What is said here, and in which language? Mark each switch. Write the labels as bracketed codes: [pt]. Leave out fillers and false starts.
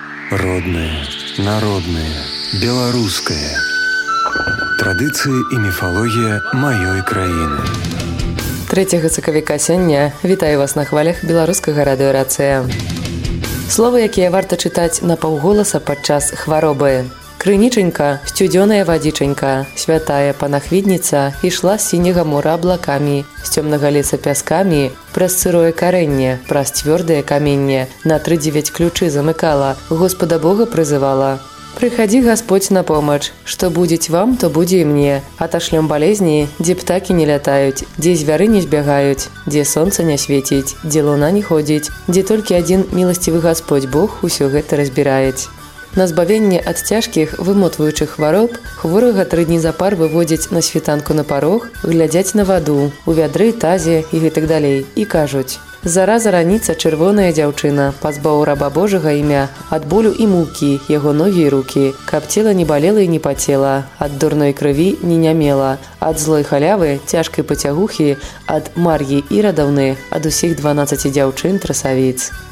[ru] Родное, народное, белорусское. Традиции и мифология моей краины. [be] 3 сакавіка сёння. Вітаю вас на хвалях беларускага радыё Рацыя. Словы, якія варта чытаць на паўголаса падчас хваробы. Крынічынька, сцюдзёная вадзічынька, святая панахвідніца ішла з сіняга мура аблакамі, з цёмнага леса пяскамі, праз сырое карэнне, праз цвёрдае каменне, на 3-9 ключы замыкала, Господа Бога прызывала. [ru] Прыходи, Господь, на помощь, что будет вам, то будет и мне. Отошлем болезни, где птаки не летают, где звяры не сбегают, где солнце не светит, где луна не ходит, где только один милостивый Господь Бог все это разбирает. [be] На збавенне ад цяжкіх вымотваючых хвароб хворага 3 дні запар выводзяць на світанку на парог, глядзяць на ваду, у вядры, тазе і гэтак далей, і кажуць: «Зараза раніца чырвоная дзяўчына, пазбаў раба Божага імя, ад болю і мукі, яго ногі і рукі, каб цела не балела і не пацела, ад дурной крыві не нямела, ад злой халявы, цяжкай пацягухі, ад мар'і і радаўны, ад усіх 12 дзяўчын трасавіц».